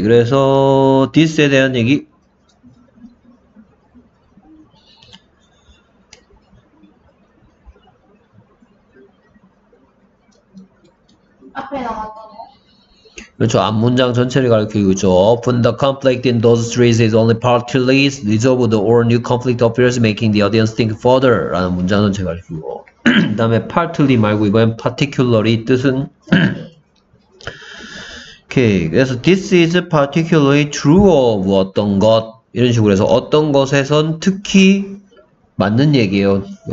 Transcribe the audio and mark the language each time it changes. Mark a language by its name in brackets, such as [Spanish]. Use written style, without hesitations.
[Korean] 그래서 디스에 대한 얘기. 앞에 나왔던. 그렇죠. 앞 문장 전체를 가리키고 있죠. [English] Often the conflict in those streets is only partly resolved or new conflict appears making the audience think further. [Korean] 라는 문장 전체를 가리키고. 그 다음에 partly 말고 이번엔 particularly 뜻은. 오케이. 그래서 [English] this is particularly true of [Korean] 어떤 것. 이런 식으로 해서 어떤 것에선 특히 맞는 얘기예요.